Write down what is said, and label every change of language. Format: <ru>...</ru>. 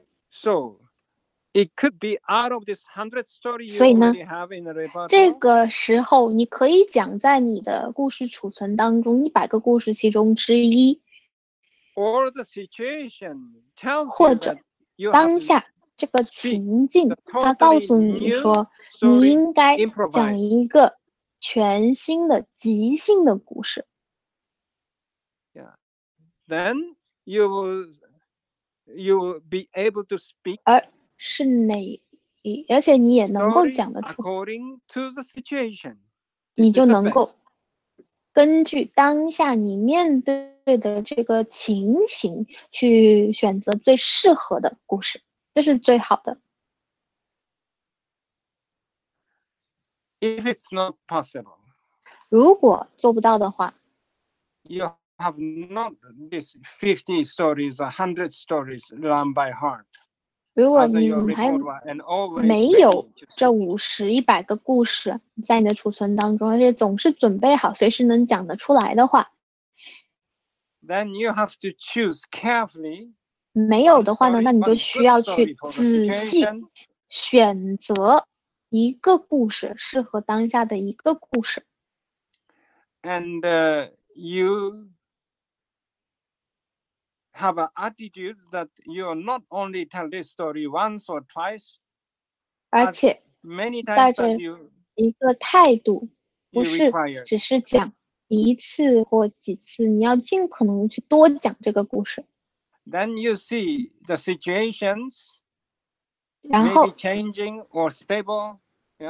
<en>So, it could be out of this 100 story you already have in the repertoire.</en> <zh>这个时候你可以讲在你的故事储存当中100个故事其中之一。</zh> <en>Or the situation tells you</en> <zh>或者当下这个情境它告诉你说你应该讲一个全新的即兴的故事。</zh> <en>Yeah. Then you will be able to speak.</en> <zh>是哪，而且你也能够讲得出</zh> <en>According to the situation,</en> <zh>你就能够根据当下你面对的这个情形去选择最适合的故事，这是最好的。</zh> <en>If it's not possible,</en> <zh>如果做不到的话</zh> <en>You have not this 50 stories, 100 stories learned by heart.</en> <zh>如果你还没有这五十一百个故事在你的储存当中，而且总是准备好，随时能讲得出来的话</zh> <en>，Then you have to choose carefully.</en> <zh>没有的话呢，那你就需要去仔细选择一个故事，适合当下的一个故事。</zh> <en>And you. Have an attitude that you are not only tell this story once or twice,</en> <zh>而且</zh> <en>many times that you</en> <zh>一个态度不是只是讲一次或几次，你要尽可能去多讲这个故事。</zh> <en>Then you see the situations,</en> <zh>然后</zh> <en>maybe changing or stable.、Yeah?</en>